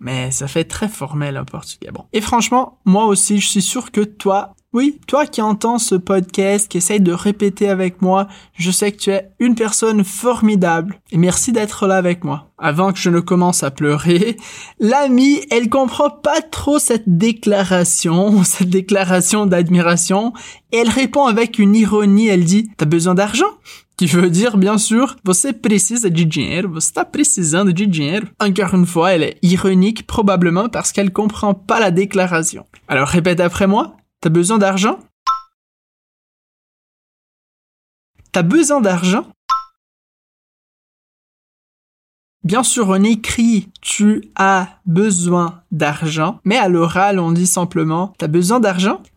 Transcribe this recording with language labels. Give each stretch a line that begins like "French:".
French: Mais ça fait très formel en portugais. Bon. Et franchement, moi aussi, je suis sûr que toi, oui, toi qui entends ce podcast, qui essaye de répéter avec moi, je sais que tu es une personne formidable. Et merci d'être là avec moi. Avant que je ne commence à pleurer, l'ami, elle comprend pas trop cette déclaration d'admiration. Et elle répond avec une ironie, elle dit, t'as besoin d'argent ? Qui veut dire, bien sûr,
Portuguese: você precisa de dinheiro,
French: você está precisando de dinheiro. Encore une fois, elle est ironique, probablement parce qu'elle comprend pas la déclaration. Alors répète après moi, t'as besoin d'argent? T'as besoin d'argent? Bien sûr, on écrit « tu as besoin d'argent », mais à l'oral, on dit simplement « t'as besoin d'argent ?»